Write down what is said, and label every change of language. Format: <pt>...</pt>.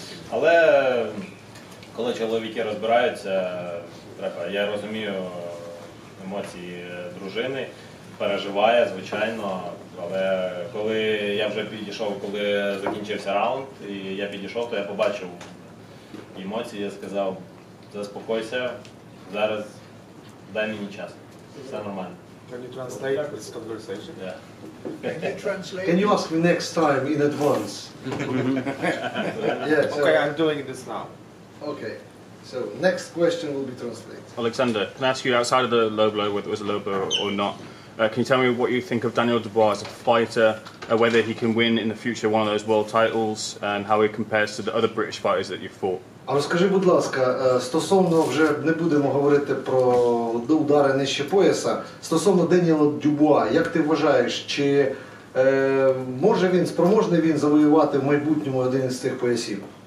<uk>Але коли чоловіки розбираються, треба, я розумію емоції дружини, переживає, звичайно. Але коли я вже підійшов, коли закінчився раунд, і я підійшов, то я побачив емоції, я сказав. Заспокойся, зараз дай мені час. Все нормально.</uk> <en>Can you translate this conversation? Yeah. Can you translate? Can you ask me next time in advance? Yeah, so. Okay, I'm doing this now. Okay. So next question will be translated. Alexander, can I ask you outside of the low blow, whether it was a low blow or not? Can you tell me what you think of Daniel Dubois as a fighter, whether he can win in the future one of those world titles, and how he compares to the other British fighters that you've fought?</en> <uk>А розкажи, будь ласка, стосовно, вже не будемо говорити про удари нижче пояса, стосовно Даніела Дюбуа, як ти вважаєш, чи може він, спроможний він завоювати в майбутньому один із цих поясів?</uk>